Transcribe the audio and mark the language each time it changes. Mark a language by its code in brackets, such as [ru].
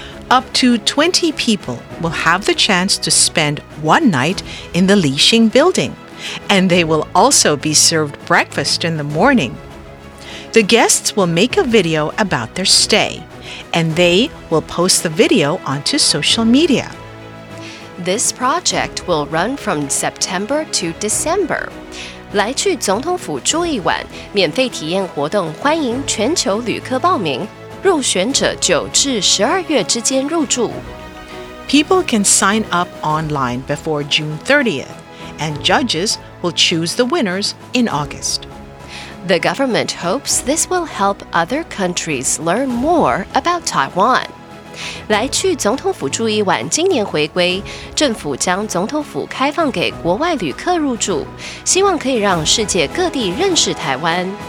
[en] Up to 20 people will have the chance to spend one night in the Lixing Building, and they will also be served breakfast in the morning. The guests will make a video about their stay, and they will post the video onto social media. This project will run from September to December. [zh] 来去总统府住一晚，免费体验活动欢迎全球旅客报名。入选者9至12月之间入住。 [en] People can sign up online before June 30th, and judges will choose the winners in August. The government hopes this will help other countries learn more about Taiwan. [zh] 来去总统府住一晚，今年回归，政府将总统府开放给国外旅客入住，希望可以让世界各地认识台湾。